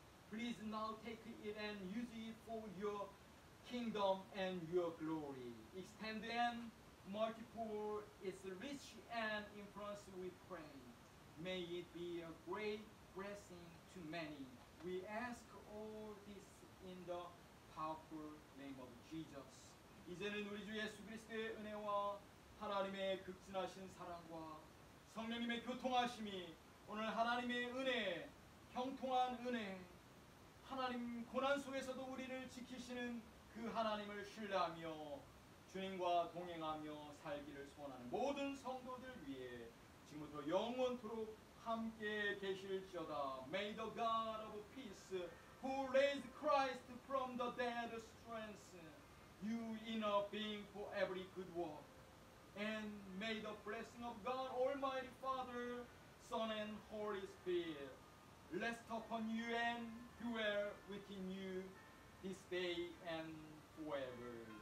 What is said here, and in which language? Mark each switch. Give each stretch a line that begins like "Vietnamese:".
English: Please now take it and use it for your kingdom and your glory. Extend and multiply its reach and influence, we pray. May it be a great blessing to many. We ask all this in the powerful name of Jesus.
Korean: 이제는 우리 주 예수 그리스도의 은혜와 하나님의 극진하신 사랑과 성령님의 교통하심이 오늘 하나님의 은혜, 형통한 은혜, 하나님 고난 속에서도 우리를 지키시는 그 하나님을 신뢰하며 주님과 동행하며 살기를 소원하는 모든 성도들 위해 지금부터 영원토록 함께 계실지어다.
English: May the God of peace, who raised Christ from the dead, strengthen you in a being for every good work. And may the blessing of God, Almighty Father, Son, and Holy Spirit rest upon you and dwell within you this day and forever.